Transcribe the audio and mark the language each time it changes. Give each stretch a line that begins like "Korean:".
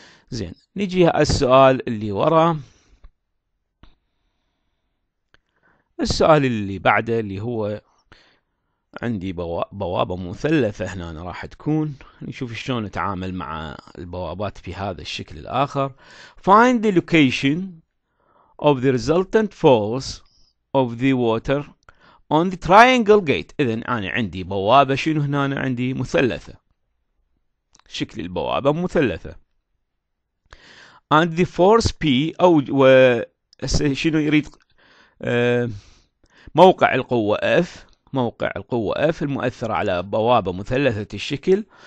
Arabic: زين نجي على السؤال اللي وراء، السؤال اللي بعده اللي هو عندي بوابة مثلثة هنا راح تكون، نشوف شلون نتعامل مع البوابات في هذا الشكل الآخر.
English: Find the location of the resultant force of the water on the triangle gate.
Arabic: إذن أنا عندي بوابة شنو هنا؟ أنا عندي مثلثة، شكل البوابة مثلثة.
English: And the force P
Arabic: أو شنو يريد؟ موقع القوة F، موقع القوة F المؤثرة على بوابة مثلثة الشكل.